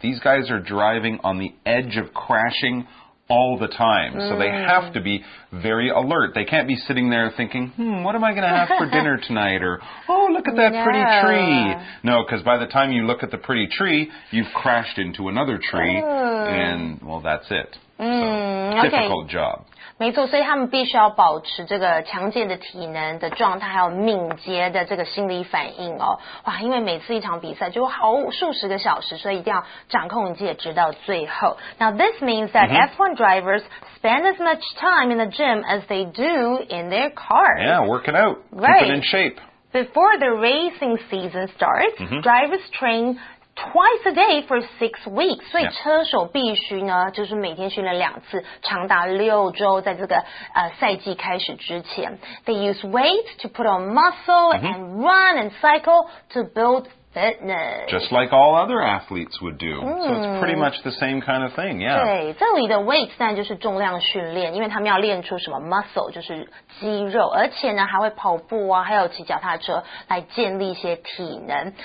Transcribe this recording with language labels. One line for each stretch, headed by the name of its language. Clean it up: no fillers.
English: These guys are driving on the edge of crashing all the time, so they have to be very alert. They can't be sitting there thinking, what am I going to have for dinner tonight? Or, oh, look at that pretty tree. No, because by the time you look at the pretty tree, you've crashed into another tree, and, well, that's it. difficult job.
Chinese: 没错，所以他们必须要保持这个强健的体能的状态，还有敏捷的这个心理反应哦。哇，因为每次一场比赛就好数十个小时，所以一定要掌控一切，直到最后。
English: Now this means that F1 drivers spend as much time in the gym as they do in their car. Yeah, working out, keeping in shape. Before the racing season starts, drivers train twice a day for 6 weeks.
Chinese: 所以车手必须呢，就是每天训练两次，长达六周，在这个赛季开始之前。
English: They use weights to put on muscle and run and cycle to build fitness. Just like all other athletes would do. So it's pretty much the same kind of thing, yeah.
Chinese: 对，这里的 weights 当然就是重量训练，因为他们要练出什么 muscle, 就是肌肉，而且呢还会跑步啊，还有骑脚踏车来建立一些体能。